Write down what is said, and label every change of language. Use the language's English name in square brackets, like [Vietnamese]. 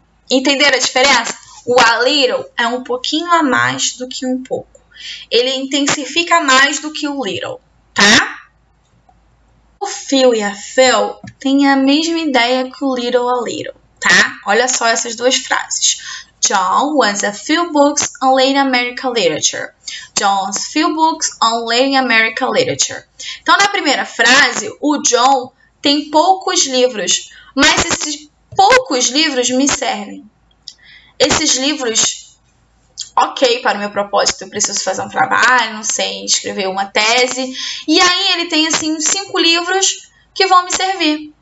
[Portuguese] Entenderam a diferença? O a little é um pouquinho a mais do que um pouco. Ele intensifica mais do que o little, tá? O Phil e a Phil têm a mesma ideia que o little a little, tá? Olha só essas duas frases. [English] John wants a few books on late American literature. John's few books on late American literature. [Portuguese] Então, na primeira frase, o John Tem poucos livros, mas esses poucos livros me servem. Esses livros, ok, para o meu propósito, eu preciso fazer um trabalho, não sei, escrever uma tese. E aí ele tem assim uns cinco livros que vão me servir.